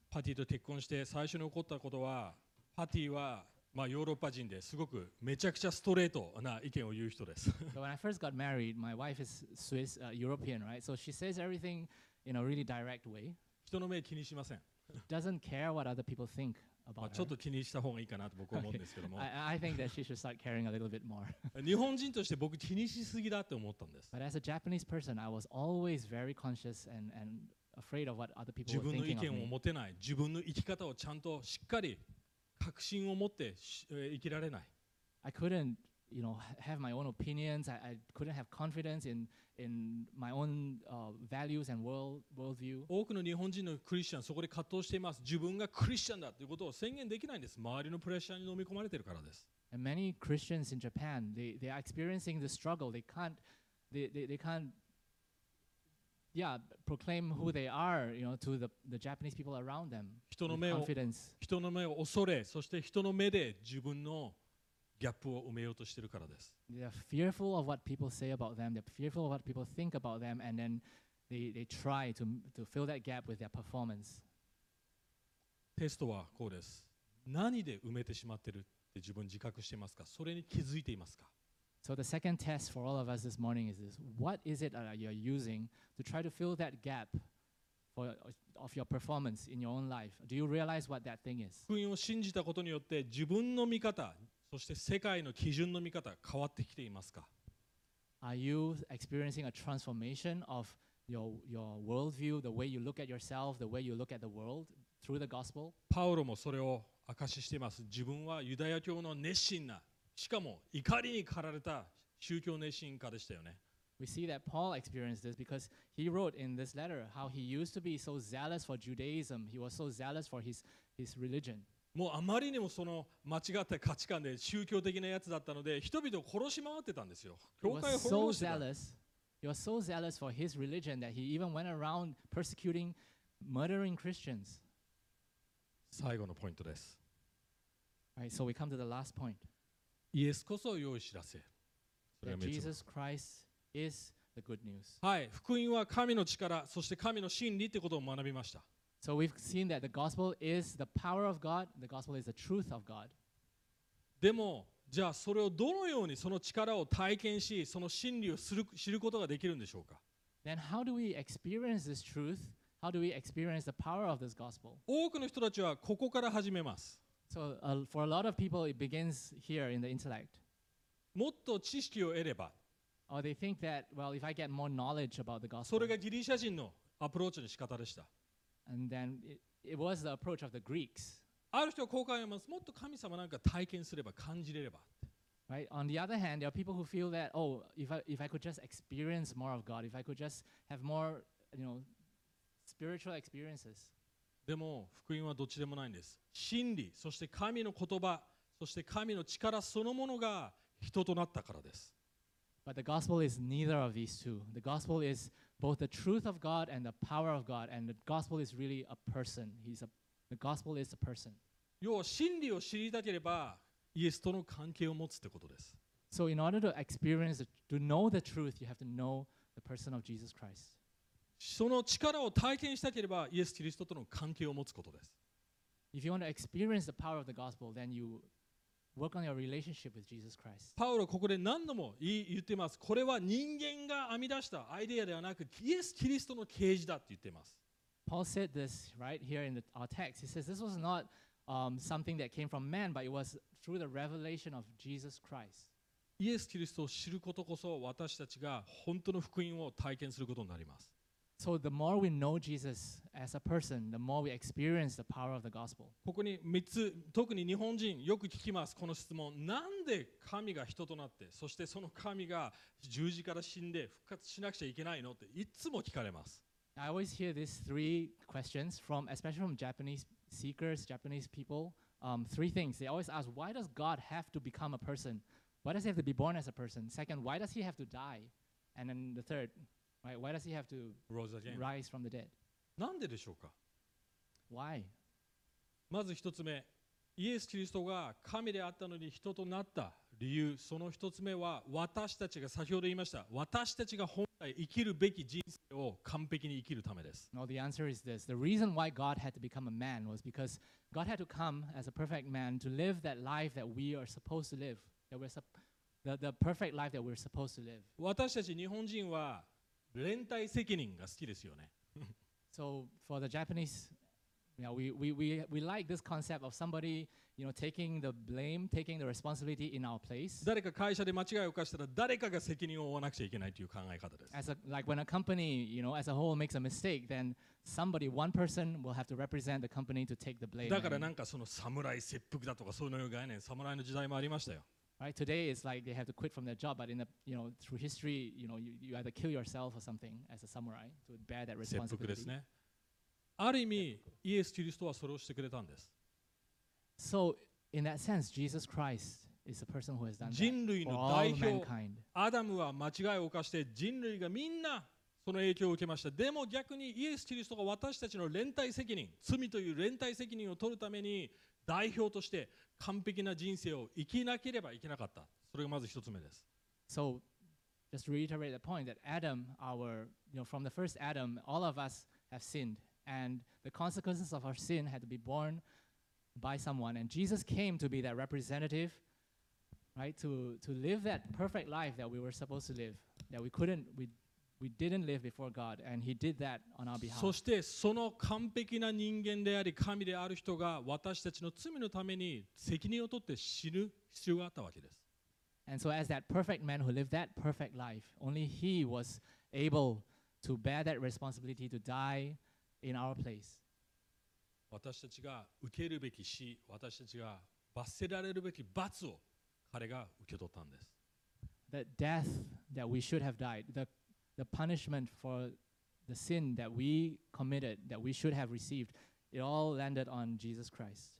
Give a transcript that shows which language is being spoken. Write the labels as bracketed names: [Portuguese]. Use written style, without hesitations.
[Japanese] パティと結婚して最初に起こったことは、パティはまあ、ヨーロッパ人ですごくめちゃくちゃストレートな意見を言う人です。 [English] So when I first got married, my wife is Swiss, European, right? So she says everything in a really direct way. [Japanese] 人の目気にしません。 [English] Doesn't care what other people think about her. [Japanese] ちょっと気にした方がいいかなと僕は思うんですけども。 [English] I think that she should start caring a little bit more. [Japanese] 日本人として僕気にしすぎだって思ったんです。 [English] But as a Japanese person, I was always very conscious and afraid of what other people were thinking of me. [Japanese] 自分の意見を持てない。自分の生き方をちゃんとしっかり確信を持って生きられない。 [English] I couldn't, you know, have my own opinions. I couldn't have confidence in my own values and worldview. [Japanese] 多くの日本人のクリスチャン、そこで葛藤しています。自分がクリスチャンだということを宣言できないんです。周りのプレッシャーに飲み込まれているからです。 [English] And many Christians in Japan, they are experiencing the struggle. They can't proclaim who they are, you know, to the Japanese people around them. [Japanese] 人の目を、 [English] confidence. [Japanese] 人の目を恐れ、そして人の目で自分のギャップを埋めようとしているからです。 [English] They are fearful of what people say about them. They're fearful of what people think about them, and then they try to fill that gap with their performance. [Japanese] テストはこうです。何で埋めてしまってるって自分自覚していますか？それに気づいていますか？ [English] So the second test for all of us this morning is this: What is it that you're using to try to fill that gap of your performance in your own life? Do you realize what that thing is? [Japanese] 福音を信じたことによって自分の見方、そして世界の基準の見方変わってきていますか？ [English] Are you experiencing a transformation of your worldview, the way you look at yourself, the way you look at the world through the gospel? [Japanese] パウロもそれを証ししています。自分はユダヤ教の熱心な、しかも怒りに駆られた宗教熱心家でしたよね。 [English] We see that Paul experienced this because he wrote in this letter how he used to be so zealous for Judaism. He was so zealous for his religion. [Japanese] もうあまりにもその間違った価値観で宗教的なやつだったので人々を殺し回ってたんですよ。教会を滅ぼしてた。 [English] He was so zealous for his religion that he even went around persecuting, murdering Christians. [Japanese] 最後のポイントです。 [English] Right, so we come to the last point. [Japanese] イエスこそ良い知らせ。 [English] That Jesus Christ. Is the good news. [Japanese] はい、福音は神の力、そして神の真理ってことを学びました。 [English] So we've seen that the gospel is the power of God, the gospel is the truth of God. [Japanese] でも、じゃあそれをどのようにその力を体験し、その真理を知ることができるんでしょうか？ [English] Then how do we experience this truth? How do we experience the power of this gospel? [Japanese] 多くの人たちはここから始めます。 [English] So for a lot of people, it begins here in the intellect. [Japanese] もっと知識を得れば、 [English] Or they think that, well, if I get more knowledge about the gospel, [Japanese] それがギリシャ人のアプローチの仕方でした。 [English] And then it was the approach of the Greeks. [Japanese] ある人はこう考えます。もっと神様なんか体験すれば、感じれれば。 [English] Right? On the other hand, there are people who feel that, oh, if I could just experience more of God, if I could just have more, you know, spiritual experiences. [Japanese] でも福音はどっちでもないんです。真理、そして神の言葉、そして神の力そのものが人となったからです。 [English] But the gospel is neither of these two. The gospel is both the truth of God and the power of God. And the gospel is really a person. The gospel is a person. [Japanese] 要は真理を知りたければ、イエスとの関係を持つってことです。 [English] So in order to experience, to know the truth, you have to know the person of Jesus Christ. [Japanese] その力を体験したければ、イエス・キリストとの関係を持つことです。 [English] If you want to experience the power of the gospel, then you... Work on your relationship with Jesus Christ. [Japanese] パウロここで何度も言ってます。これは人間が編み出したアイデアではなく、イエス・キリストの啓示だって言ってます。 [English] Paul said this right here in our text. He says this was not something that came from man, but it was through the revelation of Jesus Christ. [Japanese] イエス・キリストを知ることこそ私たちが本当の福音を体験することになります。 [English] So the more we know Jesus as a person, the more we experience the power of the gospel. [Japanese] ここに三つ、特に日本人よく聞きますこの質問。なんで神が人となって、そしてその神が十字から死んで復活しなくちゃいけないのっていつも聞かれます。 [English] I always hear these three questions from, especially from Japanese seekers, Japanese people. Three things they always ask: Why does God have to become a person? Why does He have to be born as a person? Second, why does He have to die? And then the third. Why does he have to rise from the dead? [Japanese] なんででしょうか? [English] Why? [Japanese] まず一つ目、イエス・キリストが神であったのに人となった理由、その一つ目は私たちが先ほど言いました、私たちが本来生きるべき人生を完璧に生きるためです。 [English] No, the answer is this. The reason why God had to become a man was because God had to come as a perfect man to live that life that we are supposed to live, that we're the perfect life that we're supposed to live. [Japanese] 私たち日本人は連帯責任が好きですよね。 [English] So for the Japanese, yeah, we like this concept of somebody, you know, taking the blame, taking the responsibility in our place. [Japanese] 誰か会社で間違いを犯したら誰かが責任を負わなくちゃいけないという考え方です。 [English] As a, like when a company, you know, as a whole makes a mistake, then somebody, one person will have to represent the company to take the blame. [Japanese] だからなんかその侍切腹だとかそういう概念、侍の時代もありましたよ。 [English] Right today it's like they have to quit from their job but in the you know through history you know you either kill yourself or something as a samurai to bear that responsibility. [Japanese] 切腹ですね。ある意味イエス・キリストはそれをしてくれたんです。 [English] So in that sense Jesus Christ is the person who has done that. [Japanese] 人類の代表アダムは間違いを犯して人類がみんなその影響を受けました。でも逆にイエス・キリストが私たちの連帯責任、罪という連帯責任を取るために代表として完璧な人生を生きなければいけなかった。それがまず一つ目です。 [English] So, just to reiterate the point that Adam, our, you know, from the first Adam, all of us have sinned, and the consequences of our sin had to be borne by someone, and Jesus came to be that representative, right? To live that perfect life that we were supposed to live, that we couldn't, we We didn't live before God, and He did that on our behalf. [Japanese] そしてその完璧な人間であり神である人が私たちの罪のために責任を取って死ぬ必要があったわけです。 [English] And so as that perfect man who lived that perfect life, only he was able to bear that responsibility to die in our place. [Japanese] 私たちが受けるべき死、私たちが罰せられるべき罰を彼が受け取ったんです。 [English] The death that we should have died, the punishment for the sin that we committed, that we should have received, it all landed on Jesus Christ.